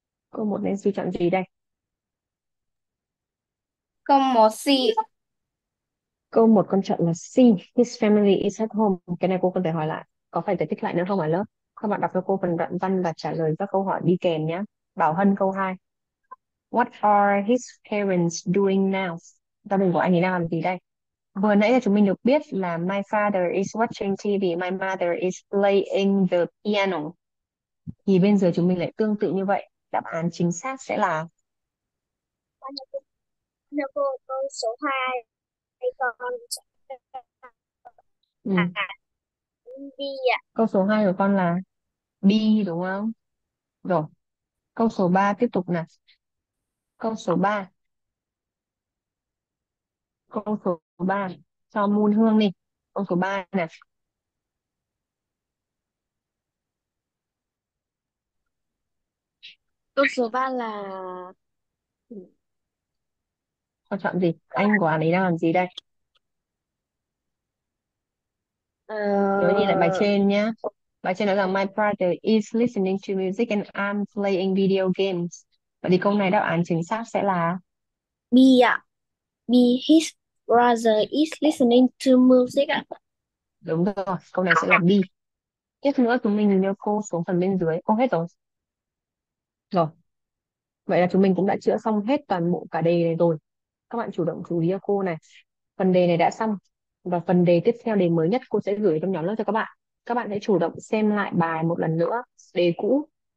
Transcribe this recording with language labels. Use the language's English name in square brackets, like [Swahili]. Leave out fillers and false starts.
[Vietnamese] Câu 1 Nancy chọn gì đây? Câu một gì? Câu 1 con chọn là C. [English] His family is at home. [Vietnamese] Cái này cô cần phải hỏi lại. Có phải giải thích lại nữa không ở lớp? Các bạn đọc cho cô phần đoạn văn và trả lời các câu hỏi đi kèm nhé. Bảo Hân câu 2. [English] What are his parents doing now? [Vietnamese] Gia đình của anh ấy đang làm gì đây? Vừa nãy là chúng mình được biết là [English] my father is watching TV, my mother is playing the piano. [Vietnamese] Thì bên giờ chúng mình lại tương tự như vậy. Đáp án chính xác sẽ là... Nếu cô câu số 2 thì con sẽ là đi ạ. Câu số 2 của con là B đúng không? Rồi. Câu số 3 tiếp tục nè. Câu số 3. Câu số 3 cho Môn Hương đi. Câu số 3 nè. Câu số 3 là Con chọn gì? Anh của anh ấy đang làm gì đây? Nhớ nhìn lại bài trên nhé. Bài trên nói rằng [English] my brother is listening to music and I'm playing video games. [Vietnamese] Vậy thì câu này đáp án chính xác sẽ là B ạ. B, [English] his Brother is listening to [Vietnamese] Đúng rồi, câu này [English] music [Vietnamese] sẽ là B. Tiếp nữa chúng mình nhìn nhau cô xuống phần bên dưới. Ô, hết rồi. Rồi. Vậy là chúng mình cũng đã chữa xong hết toàn bộ cả đề này rồi. Các bạn chủ động chú ý cho cô này. Phần đề này đã xong. Và phần đề tiếp theo, đề mới nhất cô sẽ gửi trong nhóm lớp cho các bạn. Các bạn hãy chủ động xem lại bài một lần nữa. Đề cũ.